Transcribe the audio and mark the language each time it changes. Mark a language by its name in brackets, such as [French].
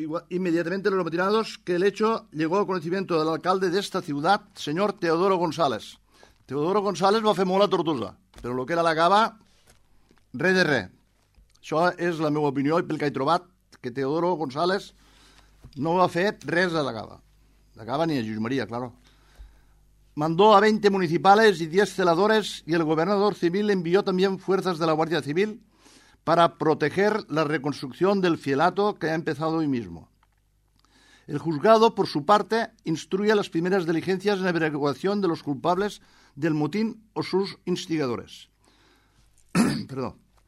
[Spanish] Inmediatamente los amotinados, que el hecho llegó a conocimiento del alcalde de esta ciudad, señor Teodoro González. [Catalan] Teodoro González va fer molt a Tortosa, però el que era la cava, res de res. Això és la meva opinió i pel que he trobat, que Teodoro González no va fer res a la cava. [Spanish] La cava ni a Jesús María, claro. Mandó a 20 municipales y 10 celadores y el gobernador civil envió también fuerzas de la Guardia Civil para proteger la reconstrucción del fielato que ha empezado hoy mismo. El juzgado, por su parte, instruye las primeras diligencias en averiguación de los culpables del motín o sus instigadores. Perdón.